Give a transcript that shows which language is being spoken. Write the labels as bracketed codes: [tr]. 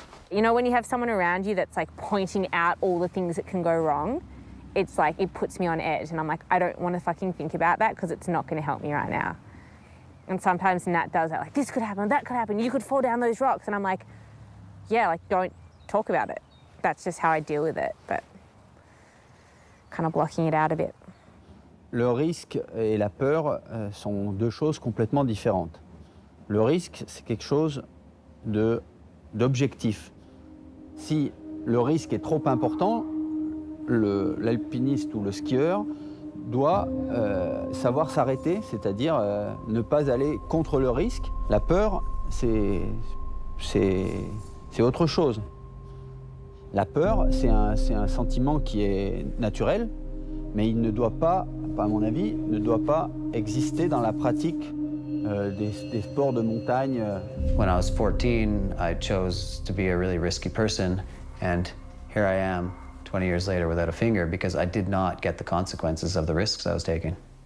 [en] You know, when you have someone around you that's like pointing out all the things that can go wrong, it's like it puts me on edge and I'm like, I don't want to fucking think about that because it's not going to help me right now. And sometimes Nat does that, like, this could happen, that could happen, you could fall down those rocks. And I'm like, yeah, like, don't talk about it. That's just how I deal with it, but kind of blocking it out a bit. [fr] Le risque et la peur sont deux choses complètement différentes. Le risque, c'est quelque chose d'objectif. Si le risque est trop important, l'alpiniste ou le skieur doit savoir s'arrêter, c'est-à-dire ne pas aller contre le risque. La peur, c'est autre chose. La peur, c'est un sentiment qui est naturel, mais il ne doit pas, à mon avis, ne doit pas exister dans la pratique des sports de montagne. [en] When I was 14, I chose to be a really risky person, and here I am, 20 years later, without a finger, because I did not get the consequences of the risks I was taking.